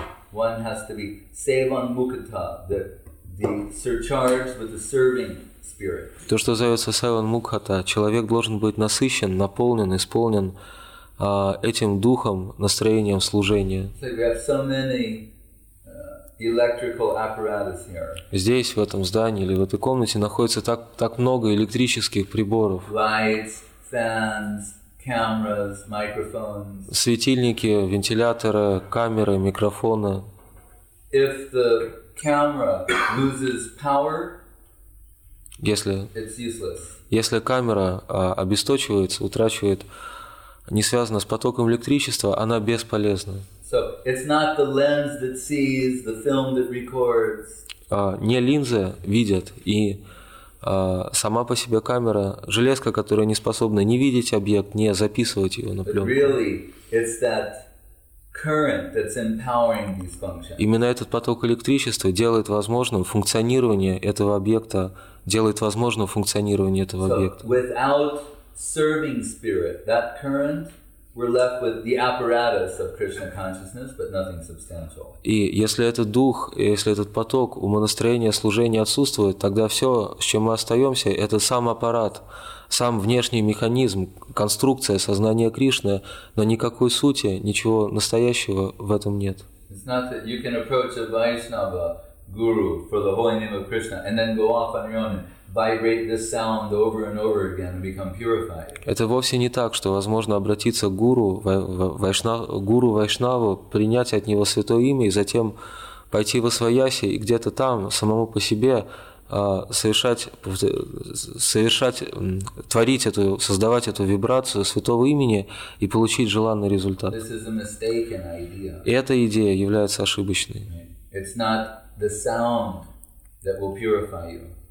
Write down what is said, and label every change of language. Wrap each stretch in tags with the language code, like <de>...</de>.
<en>One has to be sevan mukata, the surcharged with the serving spirit.</en> <ru>То, что называется sevan mukata, человек должен быть насыщен, наполнен, исполнен этим духом, настроением служения.</ru> <en>So we have so many electrical apparatus here.</en> <ru>Здесь, в этом здании или в этой комнате находится так много электрических приборов.</ru> <en>Lights, fans, cameras, microphones.</en> <ru>Светильники, вентиляторы, камеры, микрофоны.</ru> <en>If the camera loses power, it's useless.</en> <ru>Если камера обесточивается, утрачивает, не связана с потоком электричества, она бесполезна.</ru> <en>So it's not the lens that sees, the film that records.</en> <ru>Не линзы видят и сама по себе камера, железка, которая не способна не видеть объект, не записывать его на пленку.</ru> <en>Really, it's that current that's empowering these functions.</en> <ru>Именно этот поток электричества делает возможным функционирование этого объекта, делает возможным функционирование этого объекта.</ru> <en>So without serving spirit, that current, we're left with the apparatus of Krishna consciousness, but nothing substantial.</en> <ru>И если этот дух, если этот поток умонастроения служения отсутствует, тогда все, с чем мы остаемся, это сам аппарат, сам внешний механизм, конструкция сознания Кришны, но никакой сути, ничего настоящего в этом нет.</ru> <en>It's not that you can approach a Vaishnava guru for the holy name of Krishna and then go off on your own. Vibrate this sound over and over again and become purified.</en> <ru>Это вовсе не так, что возможно обратиться к гуру, гуру Вайшнаву, принять от него святое имя и затем пойти во свояси и где-то там самому по себе создавать эту вибрацию святого имени и получить желанный результат.</ru> <en>This is a mistaken idea.</en> <ru>И эта идея является ошибочной.</ru> <en>It's not the sound that will purify you.</en>